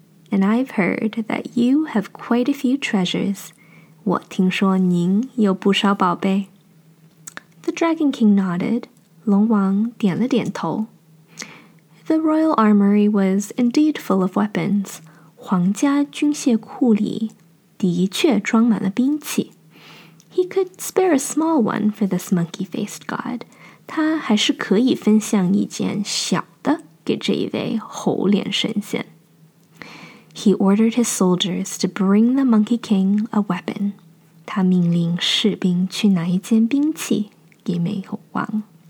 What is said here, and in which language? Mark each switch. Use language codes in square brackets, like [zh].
[en] And I've heard that you have quite a few treasures. [zh] 我听说您有不少宝贝。 [en] The Dragon King nodded. [zh] 龙王点了点头。 [en] The royal armory was indeed full of weapons. [zh] 皇家军械库里的确装满了兵器。 [en] He could spare a small one for this monkey-faced god. [zh] 他还是可以分享一件小的给这一位猴脸神仙。 [en] He ordered his soldiers to bring the Monkey King a weapon. [zh] 他命令士兵去拿一件兵器给美猴王。